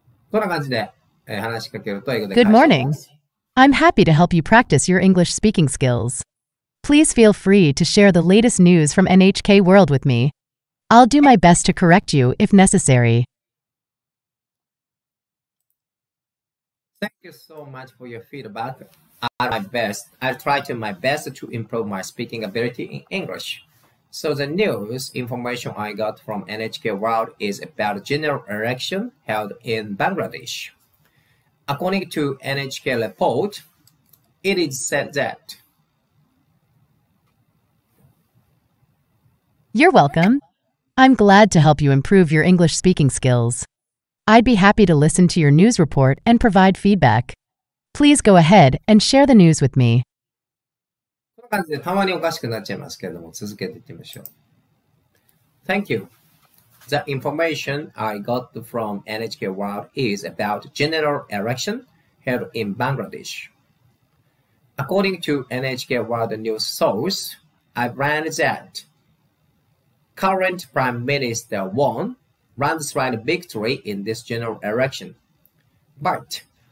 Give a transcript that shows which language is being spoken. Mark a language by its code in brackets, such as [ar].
[ja] こんな感じで話しかけると英語で [en] Good morning. I'm happy to help you practice your English speaking skills. Please feel free to share the latest news from NHK World with me. I'll do my best to correct you if necessary. Thank you so much for your feedback. I'll try to my best to improve my speaking ability in English. So the news information I got from NHK World is about a general election held in Bangladesh. According to NHK report, it is said that... You're welcome. I'm glad to help you improve your English speaking skills. I'd be happy to listen to your news report and provide feedback. Please go ahead and share the news with me. [ja] こんな感じでたまにおかしくなっちゃいますけれども、続けていってみましょう。 [en] Thank you. The information I got from NHK World is about general election held in Bangladesh. According to NHK World News source, I read that current Prime Minister won landslide victory in this general election. But